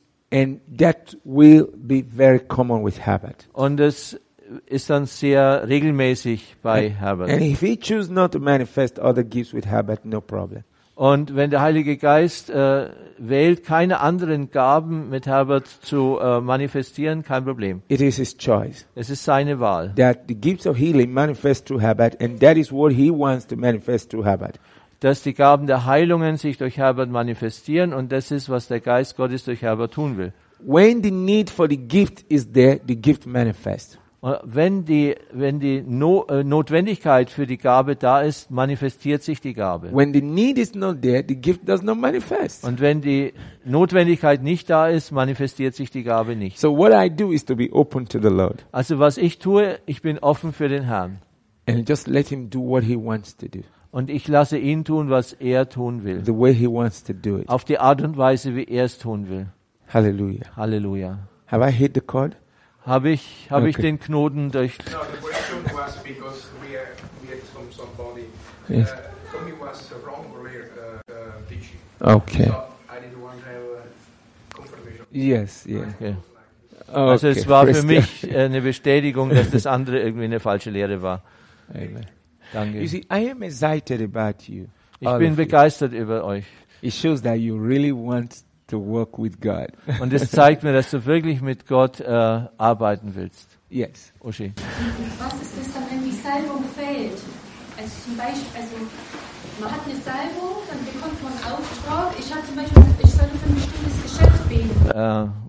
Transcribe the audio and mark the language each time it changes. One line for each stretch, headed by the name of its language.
English: And that will be very common with Herbert.
German: Und das ist dann sehr regelmäßig bei Herbert.
English: And if he choose not to manifest other gifts with Herbert, no problem.
German: Und wenn der Heilige Geist wählt, keine anderen Gaben mit Herbert zu manifestieren, kein Problem.
English: It is his choice.
German: Es ist seine Wahl.
English: That the gifts of healing manifest through Herbert, and that is what he wants to manifest through Herbert.
German: Dass die Gaben der Heilungen sich durch Herbert manifestieren, und das ist, was der Geist Gottes durch Herbert tun will.
English: When the need for the gift is there, the gift manifests.
German: Wenn die Notwendigkeit für die Gabe da ist, manifestiert sich die Gabe.
English: When the need is not there, the gift does not manifest.
German: Und wenn die Notwendigkeit nicht da ist, manifestiert sich die Gabe nicht.
English: So what I do is to be open to the Lord.
German: Also was ich tue, ich bin offen für den Herrn.
English: And just let him do what he wants to do.
German: und ich lasse ihn tun, was er tun will.
English: The way he wants to do it.
German: Auf die Art und Weise, wie er es tun will. Halleluja. Halleluja.
English: Have I hit the cord?
German: Habe ich den Knoten durch?
English: No, the question was because we had from somebody. Yes. Somebody was wrong or teaching. Okay. So I didn't want to have a confirmation. Yes, yeah. Okay. Okay.
German: Also es war für mich eine Bestätigung, dass das andere irgendwie eine falsche Lehre war. Amen. Danke.
English: You see, I am excited about you.
German: Ich bin begeistert über euch.
English: It shows that you really want to work with God.
German: Und es zeigt mir, dass du wirklich mit Gott arbeiten willst.
English: Yes. Uschi.
German: Was ist das dann, wenn die Salbung fehlt? Also zum Beispiel, also man hat eine Salbung, dann bekommt man Auftrag. Ich habe zum Beispiel, ich sollte für ein bestimmtes Geschäft beten.